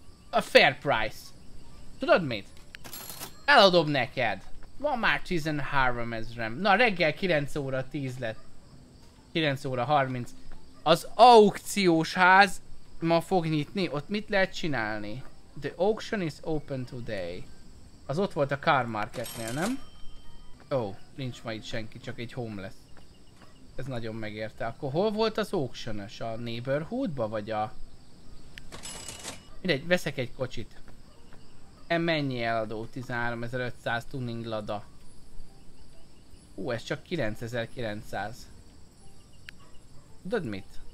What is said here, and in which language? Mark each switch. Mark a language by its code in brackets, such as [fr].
[en] A fair price. [hu] Tudod mit? Eladom neked. Van már 13 ezrem. Na reggel 9 óra 10 lett. 9 óra 30. Az aukciós ház ma fog nyitni. Ott mit lehet csinálni? [en] The auction is open today. [hu] Az ott volt a car marketnél, nem? Nincs ma itt senki, csak egy homeless. Ez nagyon megérte. Akkor hol volt az auction-os? A neighborhood-ba vagy a... Mindegy, veszek egy kocsit. Mennyi eladó? 13500 tuning lada. Ez csak 9900. Tudod mit?